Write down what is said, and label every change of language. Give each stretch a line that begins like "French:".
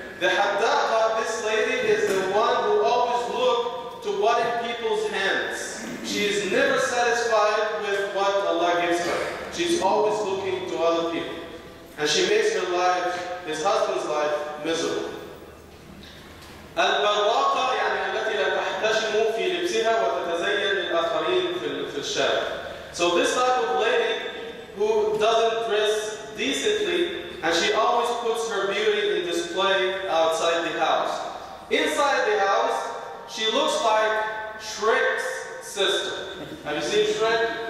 English: The haddaqa, this lady, is the one who always looks to what in people's hands. She is never satisfied with what Allah gives her. She's always looking to other people. And she makes her life, his husband's life, miserable.
Arabic: Al-barraqa, يعني التي لا تحتشم في لبسها وتتزين للآخرين في الشارع.
English: So this type of lady who doesn't dress decently, and she always puts her beauty in display outside the house. Inside the house, she looks like Shrek's sister. Have you seen Shrek?